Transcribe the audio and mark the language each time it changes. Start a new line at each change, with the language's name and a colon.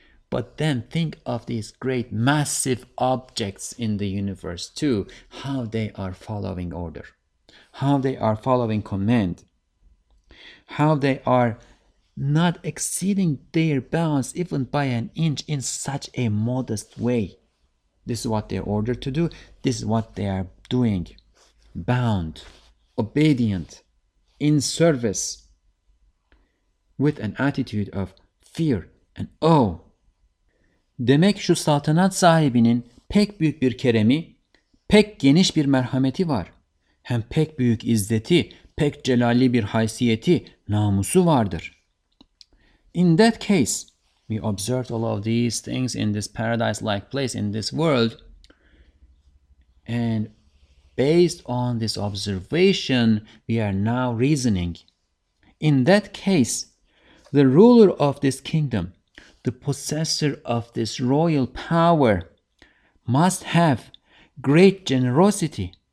English: But then think of these great massive objects in the universe too, how they are following order, how they are following command, how they are not exceeding their bounds even by an inch in such a modest way. This is what they're ordered to do. This is what they are doing. Bound, obedient, in service, with an attitude of fear and awe.
Turkish: Demek şu saltanat sahibinin pek büyük bir keremi, pek geniş bir merhameti var. Hem pek büyük izzeti, pek celalli bir haysiyeti, namusu vardır.
English: In that case, we observed all of these things in this paradise-like place, in this world. And based on this observation, we are now reasoning. In that case, the ruler of this kingdom, the possessor of this royal power, must have great generosity.